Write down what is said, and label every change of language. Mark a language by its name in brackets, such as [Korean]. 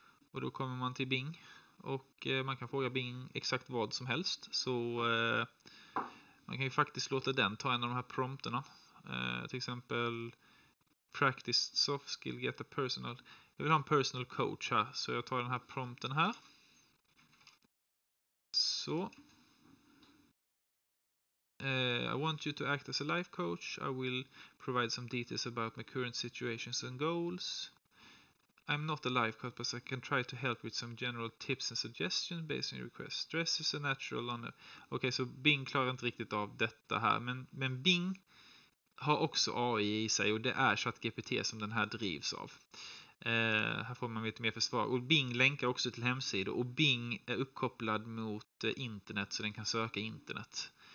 [Swedish] Och då kommer man till Bing. Och man kan fråga Bing exakt vad som helst. Så man kan ju faktiskt låta den ta en av de här prompterna. Till exempel [English] practice soft skill, get a personal. [Swedish] Jag vill ha en personal coach här. Så jag tar den här prompten här. [English] So, I want you to act as a life coach. I will provide some details about my current situations and goals. I'm not a life coach, but I can try to help with some general tips and suggestions based on your request. Stress is a natural one. [Swedish] Okay, so Bing klarar inte riktigt av detta här, men Bing har också AI i sig och det är ChatGPT som den här drivs av. Här får man lite mer för svar. Och Bing länkar också till hemsidor. Och Bing är uppkopplad mot internet så den kan söka internet.